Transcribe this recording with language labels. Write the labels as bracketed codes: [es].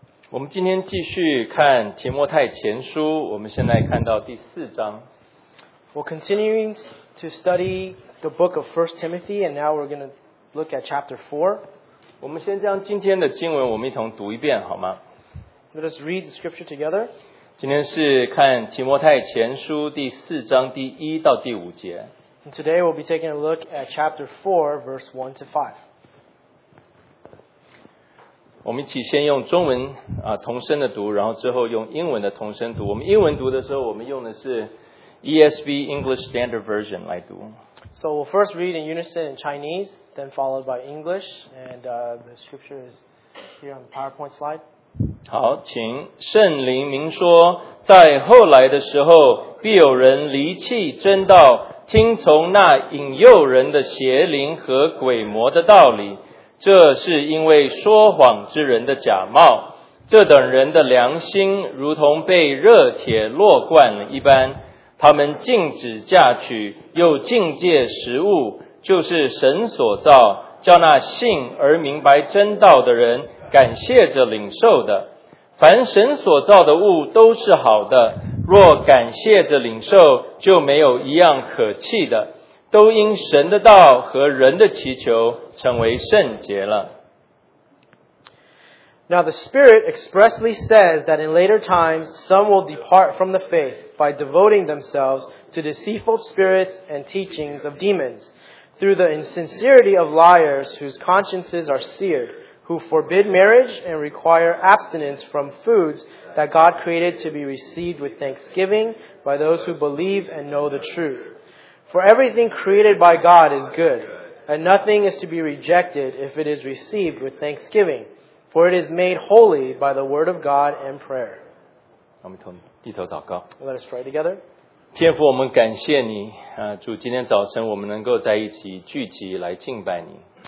[zh] 我们今天继续看提摩太前书，我们现在看到第四章。 [en] We're continuing to study the book of 1 Timothy, and now we're going to look at chapter 4. [zh] 我们先将今天的经文我们一同读一遍好吗？ [en] Let us read the scripture together. [zh] 今天是看提摩太前书第四章第一到第五节。 [en] And today we'll be taking a look at chapter 4, verse 1 to 5. [zh] 我们一起先用中文、同声的读，然后之后用英文的同声读。我们英文读的时候我们用的是ESV English Standard Version 来读。 [en] So we'll first read in unison in Chinese, then followed by English, and the scripture is here on the PowerPoint slide. [zh] 好，请圣灵明说，在后来的时候，必有人离弃真道，听从那引诱人的邪灵和鬼魔的道理，这是因为说谎之人的假冒。这等人的良心如同被热铁烙惯了一般。他们禁止嫁娶，又禁戒食物，就是神所造，叫那信而明白真道的人感谢着领受的。凡神所造的物都是好的，若感谢着领受，就没有一样可弃的，都因神的道和人的祈求成为圣洁了。 [en] Now the Spirit expressly says that in later times some will depart from the faith. By devoting themselves to deceitful spirits and teachings of demons, through the insincerity of liars whose consciences are seared, who forbid marriage and require abstinence from foods that God created to be received with thanksgiving by those who believe and know the truth. For everything created by God is good, and nothing is to be rejected if it is received with thanksgiving, for it is made holy by the word of God and prayer. [zh] 低头祷告。 [en] Let us pray together. [zh] 天父，我们感谢你，主，今天早晨我们能够在一起聚集来敬拜你。